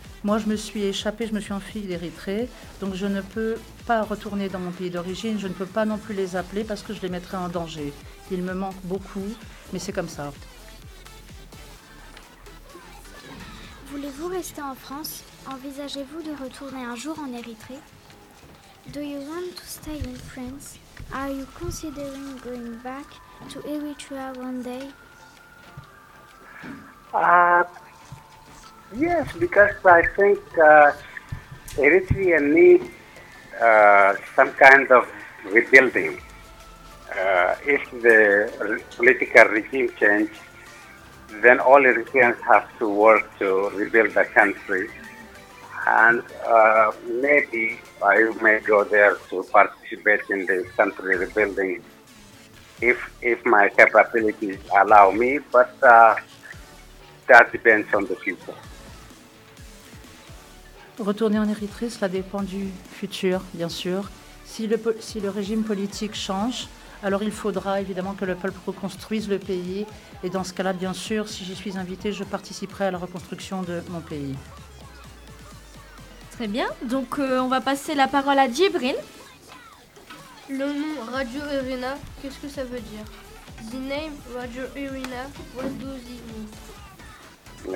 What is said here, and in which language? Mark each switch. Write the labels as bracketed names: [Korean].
[French] Moi, je me suis échappée, je me suis enfuie d'Érythrée. Donc, je ne peux pas retourner dans mon pays d'origine. Je ne peux pas non plus les appeler parce que je les mettrais en danger. Il me manque beaucoup, mais c'est comme ça. Voulez-vous rester en France? Envisagez-vous de retourner un jour en Érythrée? [English] Do you want to stay in France? Are you considering going back to Eritrea one day? Yes, because I think Eritrea needs some kind of rebuilding. If the political regime changes, then all Eritreans have to work to rebuild the country. And maybe I may go there to participate in the country rebuilding if my capabilities allow me. But that depends on the future. [French] Retourner en Érythrée, cela dépend du futur, bien sûr. Si le régime politique change, alors il faudra évidemment que le peuple reconstruise le pays. Et dans ce cas-là, bien sûr, si j'y suis invitée, je participerai à la reconstruction de mon pays. Très bien. Donc, on va passer la parole à Djibril. Le nom Radio Irina, qu'est-ce que ça veut dire? [English] The name Radio Irina, what does it mean?